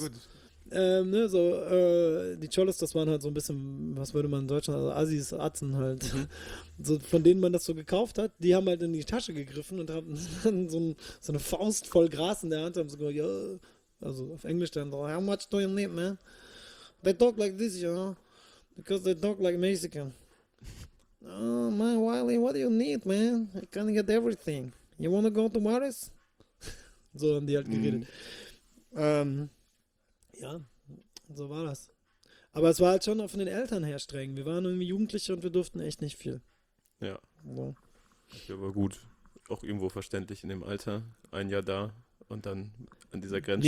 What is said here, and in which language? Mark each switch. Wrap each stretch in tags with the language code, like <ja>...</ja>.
<de>Ja, gut. Die Cholos, das waren halt so ein bisschen, was würde man in Deutschland, also Assis, Atzen halt, so, von denen man das so gekauft hat, die haben halt in die Tasche gegriffen und haben so eine Faust voll Gras in der Hand und haben so gesagt, yo, also auf Englisch dann so,</de> <en>how much do you need, man? They talk like this, you know, because they talk like Mexican. Oh, man, Wiley, what do you need, man? I can get everything. You wanna go to Maris?</en> <de>So haben die halt geredet. Ja, so war das. Aber es war halt schon auch von den Eltern her streng. Wir waren irgendwie Jugendliche und wir durften echt nicht viel. Ja. So. Ja, aber gut. Auch irgendwo verständlich in dem Alter. Ein Jahr da und dann an dieser Grenze.</de>